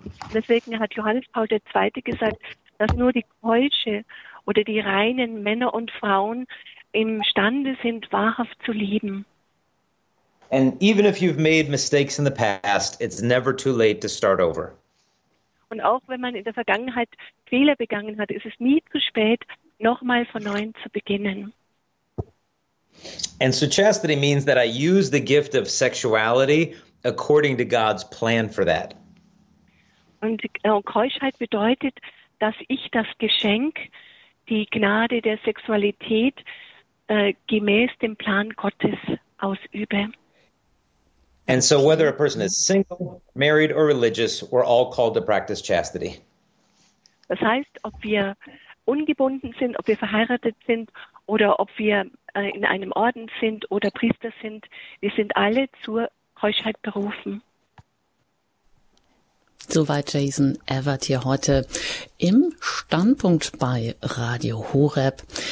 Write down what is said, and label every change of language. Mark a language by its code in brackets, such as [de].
[de] Deswegen hat Johannes Paul II. Gesagt, dass nur die Keusche oder die reinen Männer und Frauen imstande sind, wahrhaft zu lieben. [en] And even if you've made mistakes in the past, it's never too late to start over. [de] Und auch wenn man in der Vergangenheit Fehler begangen hat, ist es nie zu spät, nochmal von neuem zu beginnen. [en] And so chastity means that I use the gift of sexuality according to God's plan for that. [de] Und Keuschheit bedeutet, dass ich das Geschenk, die Gnade der Sexualität, gemäß dem Plan Gottes ausübe. [en] And so whether a person is single, married or religious, we're all called to practice chastity. [de] Das heißt, ob wir ungebunden sind, ob wir verheiratet sind oder ob wir in einem Orden sind oder Priester sind, wir sind alle zur Keuschheit berufen. Soweit Jason Evert hier heute im Standpunkt bei Radio Horeb.